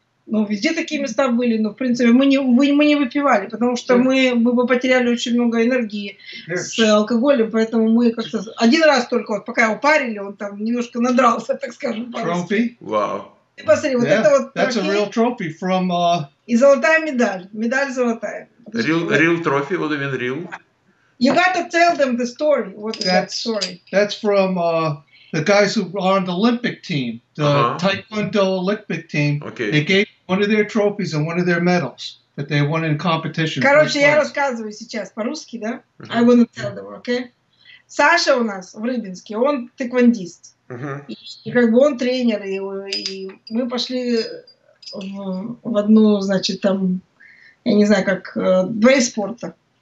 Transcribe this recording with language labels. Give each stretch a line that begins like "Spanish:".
Russian: Ну, везде такие места были, но, в принципе, мы не выпивали, потому что мы бы потеряли очень много энергии с алкоголем, поэтому мы как-то... Один раз только, вот, пока его парили, он там немножко надрался, так скажем, по-русски. Вау. Ты посмотри, вот это вот...
English: That's a real trophy from...
Russian: И золотая медаль, медаль золотая.
English: Real trophy, what do you mean real? You got to tell them the story, what is that story? That's from... The guys who are on the Olympic team, the Taekwondo Olympic team, they gave one of their trophies and one of their medals that they won in competition.
Russian: Короче, я рассказываю сейчас по-русски, да?
English: I want to tell them, okay?
Russian: Саша у нас в Рыбинске, он тэквондист. И как бы он тренер, и мы пошли в одну, значит, там, я не знаю, как, два спорта.